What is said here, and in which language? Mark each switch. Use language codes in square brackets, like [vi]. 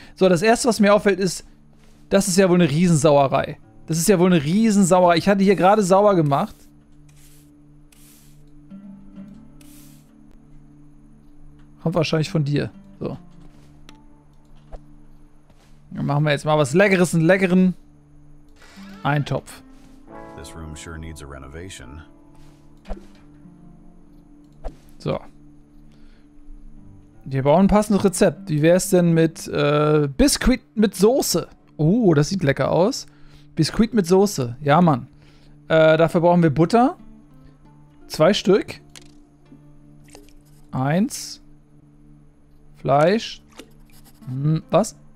[de] So, das Erste, was mir auffällt, ist, das ist ja wohl eine Riesensauerei. Ich hatte hier gerade sauer gemacht. Kommt wahrscheinlich von dir. So. Dann machen wir jetzt mal was Leckeres, einen leckeren Eintopf. [en] This room sure needs a renovation. [de] So. Wir brauchen ein passendes Rezept. Wie wäre es denn mit Biskuit mit Soße? Oh, das sieht lecker aus. Biskuit mit Soße. Ja, Mann. Dafür brauchen wir Butter. 2 Stück. 1. Fleisch. Was?